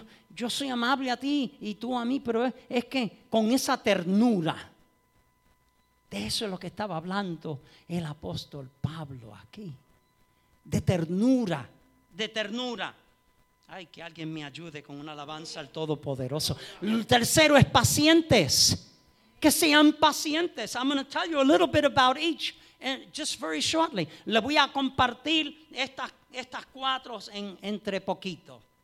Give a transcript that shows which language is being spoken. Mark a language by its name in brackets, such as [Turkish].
[Spanish] Yo soy amable a ti y tú a mí, pero es que con esa ternura. De eso es lo que estaba hablando el apóstol Pablo aquí. De ternura. Ay, que alguien me ayude con una alabanza al Todopoderoso. El tercero es pacientes. Que sean pacientes. [English] I'm going to tell you a little bit about each, and just very shortly. [Spanish] Le voy a compartir estas cuatro entre poquito.